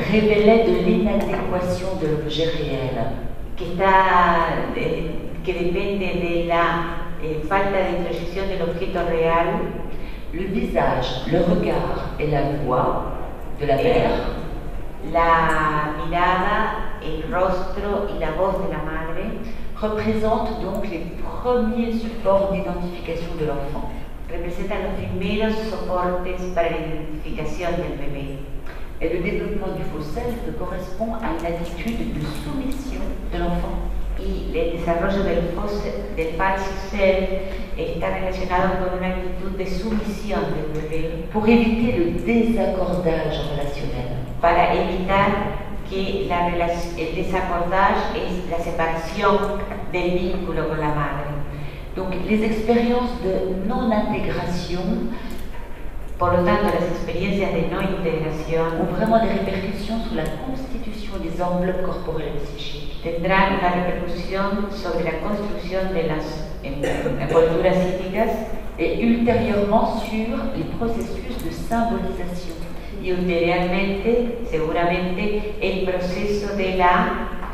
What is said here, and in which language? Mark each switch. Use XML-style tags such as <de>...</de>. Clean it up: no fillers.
<fr>révélait de l'inadéquation de l'objet réel.</fr> <es>Que depende de la falta de introyección del objeto real,</es> <fr>le visage, le regard et la voix de la mère,</fr> <es>la mirada, el rostro y la voz de la madre,</es> <fr>représentent donc les premiers supports d'identification de l'enfant.</fr> <es>Representan los primeros soportes para la identificación del bebé.</es> <fr>Et le développement du faux self correspond à une attitude de soumission de l'enfant.</fr> <es>Y el desarrollo del falso ser está relacionado con una actitud de sumisión del bebé.</es> <fr>Pour éviter le désaccordage relationnel.</fr> <es>Para evitar que el desaccordage es la separación del vínculo con la madre.</es> <fr>Donc, les expériences de non-intégration.</fr> <es>Por lo tanto, las experiencias de no integración</es> <fr>ont vraiment des répercussions sur la constitution des enveloppes corporelles psychiques.</fr> <es>Tendrán una repercusión sobre la construcción de las envolturas psíquicas</es> <fr>et ultérieurement sur les processus de symbolisation.</fr> <es>Y ulteriormente, seguramente, el proceso de la</es>